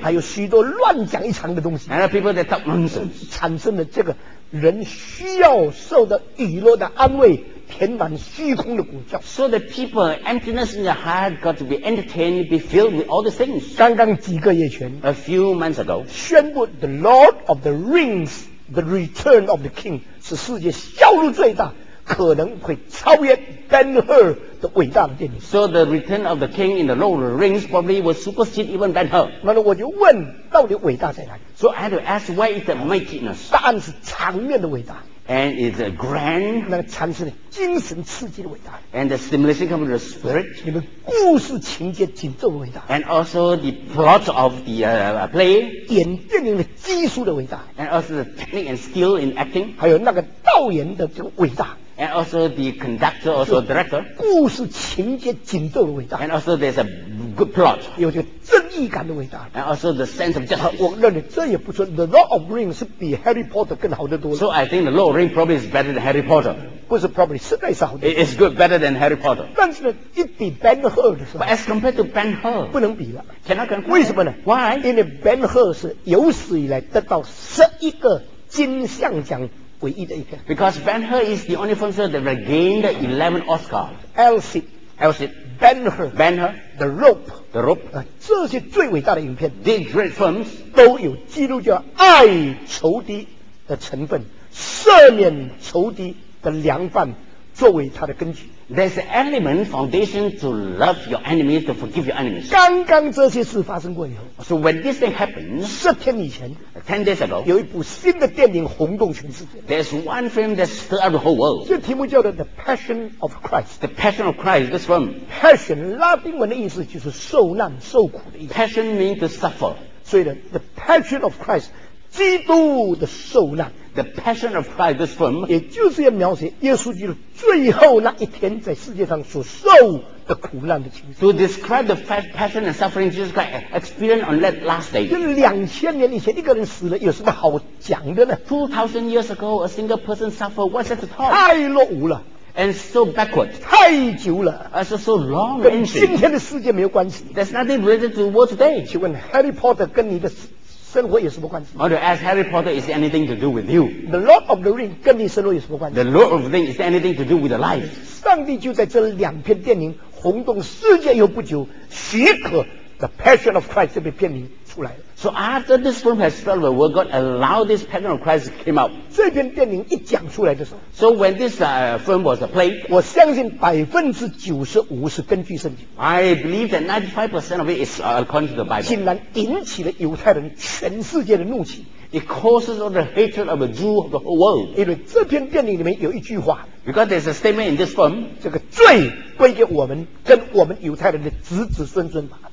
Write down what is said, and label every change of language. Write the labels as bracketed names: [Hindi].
[Chinese] 还有许多乱讲一场的东西。 [English] And people that talk nonsense. [Chinese] 产生了这个人需要受的娱乐的安慰。填满虚空的鼓叫 [English] So the people emptiness in the heart got to be entertained, be filled with all the things. [Chinese] 刚刚几个月前 [English] A few months ago [Chinese] 宣布 the Lord of the Rings, the return of the king 是世界销路最大可能会超越 Ben-Hur 的伟大的电影 [English] So the return of the king in the Lord of the Rings probably will supersede even Ben-Hur [Chinese] 那么我就问到底伟大在哪里 [English] So I had to ask where is the mightiness [Chinese] 答案是场面的伟大 [English] And it's a grand, [Chinese] 那个产生了精神刺激的伟大。 [English] And the stimulation comes from the spirit. [Chinese] 你们故事情节紧凑的伟大。 [English] And also the plot of the play. [Chinese] 演电影的技术的伟大。 [English] And also the technique and skill in acting. [Chinese] 还有那个导演的这个伟大。 [English] And also the conductor, also director. [Chinese] 故事情节紧凑的伟大。 [English] And also there's a good plot. [Chinese] 有这个正义感的伟大。 [English] And also the sense of justice. [Chinese] 我认为这也不错。The Lord of the Rings 是比 Harry Potter 更好的多了。 [English] So I think the Lord of the Rings probably is better than Harry Potter. [Chinese] 不是 [English] probably, [Chinese] 实在是好的。 [English] It's good, better than Harry Potter. [Chinese] 但是呢，一比 Ben-Hur 的时候。 [English] But as compared to Ben-Hur. [Chinese] 不能比了。 [English] Cannot compare. [Chinese] 为什么呢 [English] ？Why? [Chinese] 因为 Ben-Hur 是有史以来得到11个金像奖。唯一的一个 [English] Because Ben-Hur is the only film that regained 11 Oscars. Elsie. Ben-Hur. [Chinese] The Rope.、这些最伟大的影片 [English] These great films [Chinese] 都有基督教爱仇敌的成分赦免仇敌的良饭作为它的根据 [English] There's an element foundation to love your enemies, to forgive your enemies. [Chinese] 刚刚这些事发生过以后 [English] So when this thing happened, [Chinese] 十天以前 [English] 10 days ago, [Chinese] 有一部新的电影轰动全世界 [English] There's one film that stirred up the whole world. [Chinese] 这题目叫做 The Passion of Christ. [English] The Passion of Christ, this film. [Chinese] Passion, 拉丁文的意思就是受难受苦的意思 [English] Passion means to suffer. [Chinese] 所以呢 The Passion of Christ, 基督的受难 [English] The Passion of Christ, this film, [Chinese] 也就是要描写耶稣基督最后那一天在世界上所受的苦难的情形。 [English] To describe the passion and suffering Jesus Christ experienced on that last day. [Chinese] 就2000年以前一个人死了有什么好讲的呢 [English] ？2000 years ago, a single person suffered. What's that to talk? [Chinese] 太落伍了。 [English] And so backward. [Chinese] 太久了。 [English] Also so long. [Chinese] 跟今天的世界没有关系。 [English] There's nothing related to the world today. [Chinese] 请问 Harry Potter 跟你的生活有什么关系 [English] I want to ask Harry Potter is there anything to do with you [Chinese] The Lord of the Rings 跟你生活有什么关系 [English] The Lord of the Rings is there anything to do with the life [Chinese] 上帝就在这两篇电影轰动世界又不久许可 The Passion of Christ 这篇片名出来了 [English] So after this film has started the world God allowed this Passion of Christ came out [Chinese] 这篇电影一讲出来的时候 [English] So when this film was played [Chinese] 我相信 95% 是根据圣经 [English] I believe that 95% of it is according to the Bible [Chinese] 竟然引起了犹太人全世界的怒气 [English] It causes all the hatred of the Jew of the whole world [Chinese] 因为这篇电影里面有一句话 [English] Because there's a statement in this film [Chinese] 这个罪归给我们跟我们犹太人的子子孙孙吧